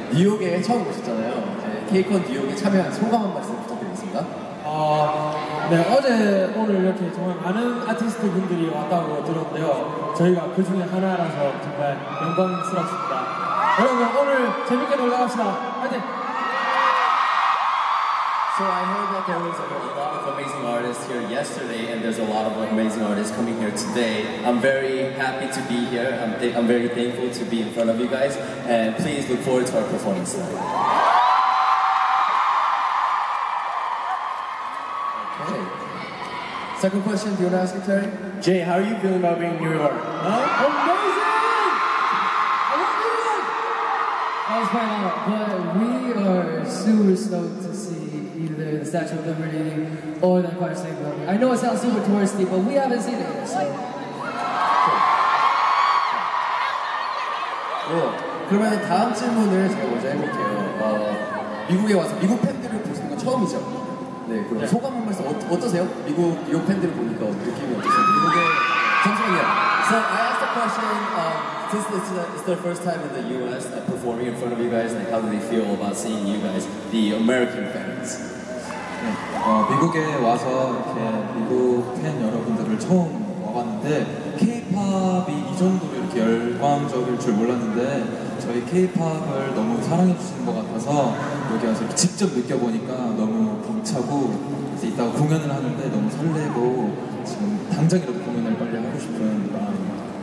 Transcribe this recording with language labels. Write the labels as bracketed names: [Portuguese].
[Korean] 뉴욕에 처음 오셨잖아요. K-Con 뉴욕에 참여한 소감 한 말씀 부탁드리겠습니다. 네, 어제 오늘 이렇게 정말 많은 아티스트 분들이 왔다고 들었는데요. 저희가 그 중에 하나라서 정말 영광스럽습니다. 여러분, 오늘 재밌게 놀러 갑시다. 화이팅! [English] So I heard that there was like a lot of amazing artists here yesterday, and there's a lot of like amazing artists coming here today. I'm very happy to be here. I'm very thankful to be in front of you guys, and please look forward to our performance tonight. Second question, do you want to ask it, Terry? Jay, how are you feeling about being in New York? Huh? Amazing! I love New York! That was quite long, but we are super stoked to see either the Statue of Liberty or the Empire State Building. I know it sounds super touristy, but we haven't seen it yet, so... Cool. [Korean] 그러면 다음 질문을 제가 먼저 해볼게요. 미국에 와서 미국 팬들을 보시는 건 처음이죠? 네, 그럼 네. 소감 한 말씀 어떠세요? 미국 뉴욕 팬들을 보니까 느낌이 어떠세요? 미국에 정성이야. [English] So I asked a question. This is their first time in the U.S. performing in front of you guys. Like, how do they feel about seeing you guys, the American fans? [Korean] 네. 미국에 와서 이렇게 미국 팬 여러분들을 처음 와봤는데 K-pop이 이 정도로 이렇게 열광적일 줄 몰랐는데 저희 K-pop을 너무 사랑해 주시는 것 같아서 여기 와서 직접 느껴보니까 너무 차고 이제 이따가 공연을 하는데 너무 설레고 지금 당장이라도 공연을 빨리 하고 싶은 마음입니다.